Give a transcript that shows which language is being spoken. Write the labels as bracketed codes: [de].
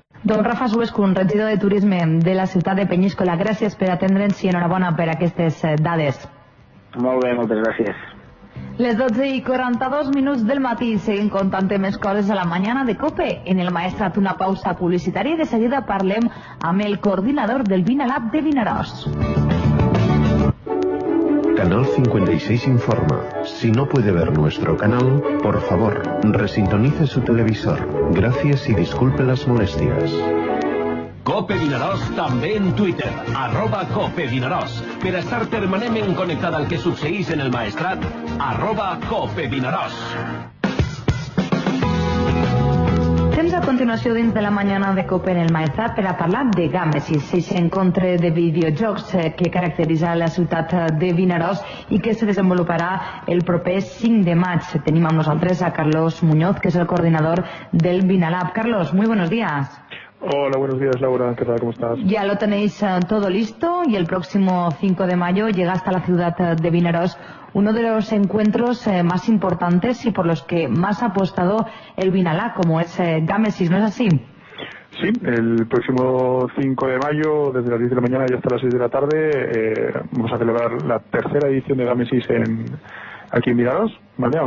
[ca] Don Rafa Suescu, un regidor de turisme de la ciutat de Peñíscola, gràcies per atendre'ns i enhorabona per aquestes dades. Molt bé, moltes gràcies. Les 12:42 del matí, seguim contant més coses a la mañana de COPE. En el Maestrat una pausa publicitària i de seguida parlem amb el coordinador del Vinalab de Vinaròs. Canal 56 informa. [es] Si no puede ver nuestro canal, por favor, resintonice su televisor. Gracias y disculpe las molestias. [ca] Cope Vinaròs també en Twitter, @CopeVinaròs. Per estar permanentment connectat al que succeís en el Maestrat, @CopeVinaròs. A continuació dins de la mañana de COPE en el Maestrat per a parlar de Gamesis, aquest encontre de videojocs que caracteritza la ciutat de Vinaròs i que se desenvoluparà el proper 5 de maig. Tenim amb nosaltres a Carlos Muñoz, que és el coordinador del Vinalab. [es] Carlos, muy buenos días. Hola, buenos días, Laura. ¿Qué tal? ¿Cómo estás? Ya lo tenéis todo listo y el próximo 5 de mayo llega hasta la ciudad de Vinaròs uno de los encuentros más importantes y por los que más ha apostado el Vinalab, como es Gamesis, ¿no es así? Sí, el próximo 5 de mayo, desde las 10 de la mañana y hasta las 6 de la tarde, vamos a celebrar la tercera edición de Gamesis aquí en Vinaròs, ¿vale?